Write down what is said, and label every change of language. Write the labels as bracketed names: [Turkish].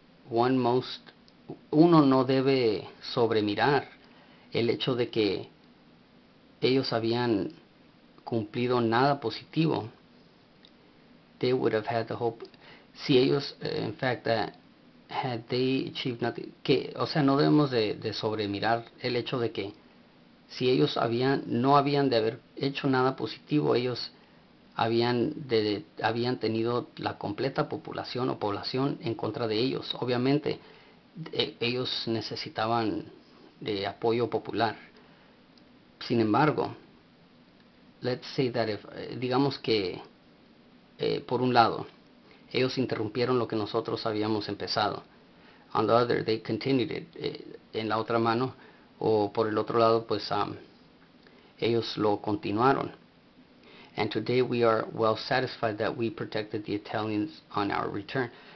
[Spanish] uno no debe sobremirar el hecho de que ellos habían cumplido nada positivo. [English] They would have had the hope. [Spanish] Si ellos, [English] in fact, had they achieved nothing. [Spanish] Que, o sea, no debemos de sobremirar el hecho de que si ellos habían, no habían de haber hecho nada positivo, ellos habían tenido la completa población o población en contra de ellos. Obviamente, ellos necesitaban de apoyo popular. Sin embargo, [English] let's say that if, [Spanish] digamos que, por un lado, ellos interrumpieron lo que nosotros habíamos empezado. [English] On the other, they continued it. [Spanish] En la otra mano, o por el otro lado, pues, ellos lo continuaron. [English] And today we are well satisfied that we protected the Italians on our return.